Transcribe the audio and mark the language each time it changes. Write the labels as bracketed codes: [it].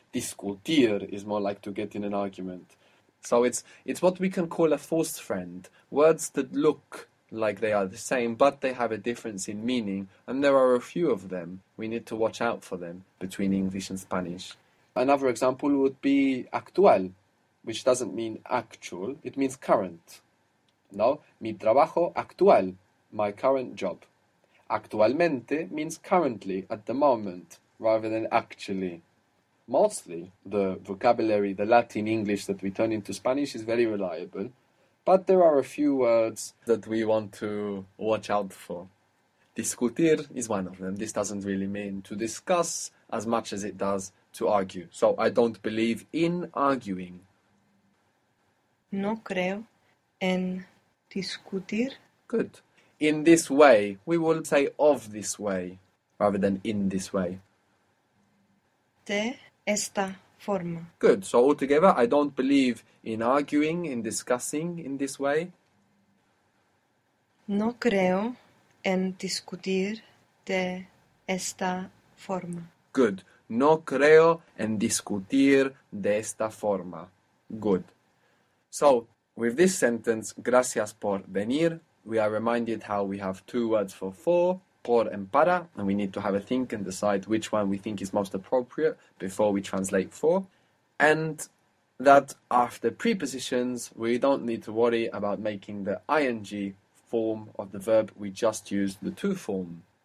[en] Discutir is more like to get in an argument. So it's what we can call a false friend. Words that look like they are the same, but they have a difference in meaning, and there are a few of them. We need to watch out for them between English and Spanish. Another example would be actual, which doesn't mean actual, it means current. [es] No, mi trabajo actual, [en] my current job. Actualmente means currently, at the moment, rather than actually. Mostly, the vocabulary, the Latin English that we turn into Spanish is very reliable. But there are a few words that we want to watch out for. Discutir is one of them. This doesn't really mean to discuss as much as it does to argue. So I don't believe in arguing. [es] No creo en discutir. [en] Good. In this way, we will say of this way rather than in this way. [es] De esta forma. [en] Good. So altogether, I don't believe in arguing, in discussing in this way. [es] No creo en discutir de esta forma. [en] Good. No creo en discutir de esta forma. Good. So, with this sentence, [es] gracias por venir, [en] we are reminded how we have two words for four, por and para, and we need to have a think and decide which one we think is most appropriate before we translate for. And that after prepositions, we don't need to worry about making the ing form of the verb, we just use the to form.